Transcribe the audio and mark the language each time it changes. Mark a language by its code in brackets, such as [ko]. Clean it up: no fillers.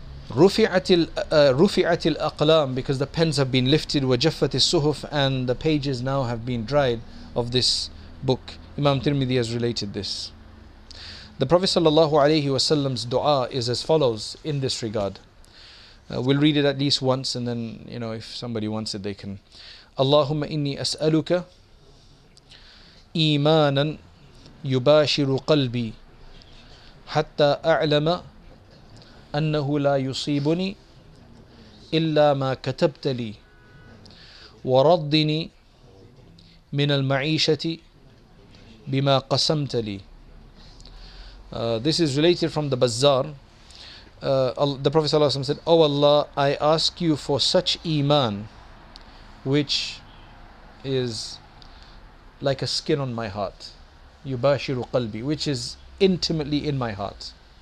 [ar] رُفِعَتِ الْأَقْلَامِ, [en] because the pens have been lifted, [ar] وَجَفَّتِ الصُّحُفِ, [en] and the pages now have been dried of this book. Imam Tirmidhi has related this. The Prophet ﷺ's dua is as follows in this regard. We'll read it at least once, and then, you know, if somebody wants it, they can. [ar] اللهم إني أسألك إيمانا يباشر قلبي حتى أعلم أنه لا يصيبني إلا ما كتبت لي وردني من المعيشة بما قسمت لي. [en] This is related from the Bazaar. The Prophet ﷺ said, O Allah, I ask you for such iman which is like a skin on my heart, [ar] yubashiru qalbi, [en] which is intimately in my heart.